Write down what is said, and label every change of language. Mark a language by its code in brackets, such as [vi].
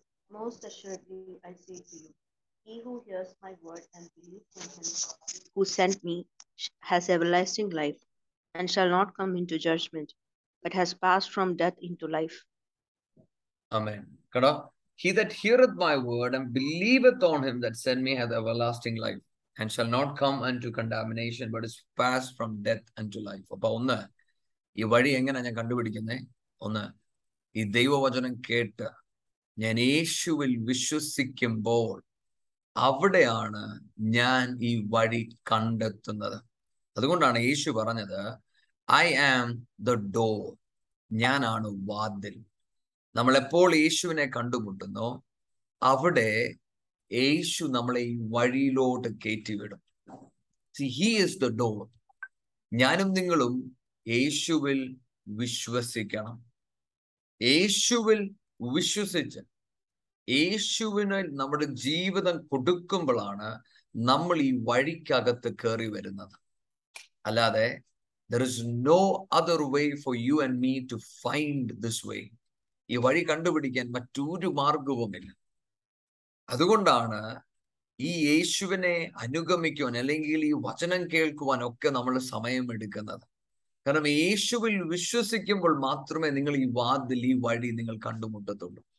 [en] Most assuredly, I say to you, he who hears my word and believes in him who sent me has everlasting life and shall not come into judgment, but has passed from death into life. Amen. [ml] Kada, [en] he that heareth my word and believeth on him that sent me hath everlasting life and shall not come unto condemnation, but is passed from death unto life. [ml] Appa onna, ee vadi engana njan kandupidikkune? Onna, ഈ ദൈവവചനം കേട്ട് ഞാൻ യേശുവിൽ വിശ്വസിക്കുമ്പോൾ അവിടെയാണ് ഞാൻ ഈ വഴി കണ്ടെത്തുന്നത്. അതുകൊണ്ടാണ് യേശു പറഞ്ഞത്, [en] I am the door, [ml] ഞാനാണ് വാതിൽ. നമ്മൾ എപ്പോൾ യേശുവിനെ കണ്ടുമുട്ടുന്നോ അവിടെ യേശു നമ്മളെ ഈ വഴിയിലോട്ട് കയറ്റിവിടും. [en] He is the door. [ml] ഞാനും നിങ്ങളും യേശുവിൽ വിശ്വസിക്കണം. യേശുവിൽ വിശ്വസിച്ച് യേശുവിന് നമ്മുടെ ജീവിതം കൊടുക്കുമ്പോഴാണ് നമ്മൾ ഈ വഴിക്കകത്ത് കയറി വരുന്നത്. അല്ലാതെ [en] there is no other way for you and me to find this way. [ml] ഈ വഴി കണ്ടുപിടിക്കാൻ മറ്റൊരു മാർഗവുമില്ല. അതുകൊണ്ടാണ് ഈ യേശുവിനെ അനുഗമിക്കുവാൻ അല്ലെങ്കിൽ ഈ വചനം കേൾക്കുവാൻ ഒക്കെ നമ്മൾ സമയമെടുക്കുന്നത്. കാരണം യേശുവിൽ വിശ്വസിക്കുമ്പോൾ മാത്രമേ നിങ്ങൾ ഈ വാതിൽ ഈ വഴി നിങ്ങൾ കണ്ടുമുട്ടത്തുള്ളൂ.